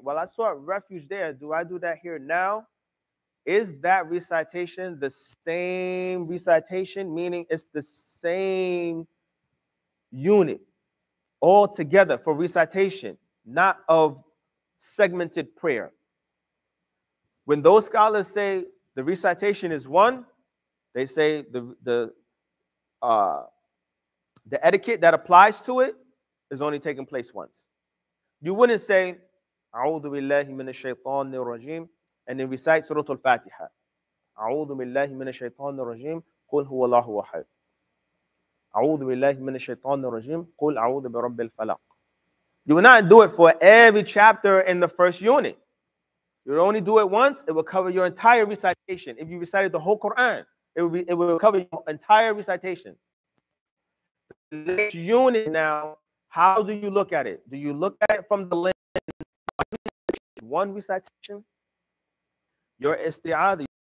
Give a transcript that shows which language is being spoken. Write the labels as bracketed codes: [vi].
[en] Well, I sought refuge there. Do I do that here now? Is that recitation the same recitation, meaning it's the same unit all together for recitation, not of segmented prayer? When those scholars say the recitation is one, they say the etiquette that applies to it is only taking place once. You wouldn't say [ar] أعوذ بالله من الشيطان الرجيم. [en] And then recite Surah Al-Fatiha. [ar] أعوذ بالله من الشيطان الرجيم. قل هو الله أحد. أعوذ بالله من الشيطان الرجيم. قل أعوذ برب الفلق. [en] You will not do it for every chapter in the first unit. You will only do it once. It will cover your entire recitation. If you recited the whole Quran, it will cover your entire recitation. Next unit now, how do you look at it? Do you look at it from the lens of one recitation? Your isti'adha.